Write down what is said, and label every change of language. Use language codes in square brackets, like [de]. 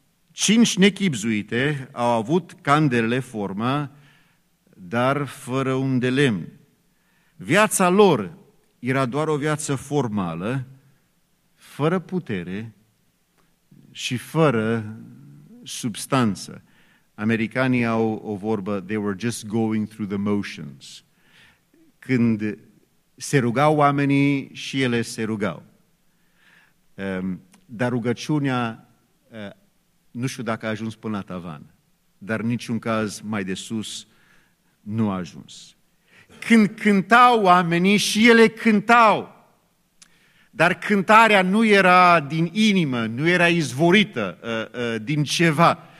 [ro] 5 nechibzuite au avut candelele formă, dar fără un de lemn. Viața lor era doar o viață formală, fără putere și fără substanță. Americanii au o vorbă, [en] they were just going through the motions. [ro] Când se rugau oamenii, și ele se rugau. Dar rugăciunea, nu știu dacă a ajuns până la tavan, dar niciun caz mai de sus nu a ajuns. Când cântau oamenii, și ele cântau. Dar cântarea nu era din inimă, nu era izvorită din ceva.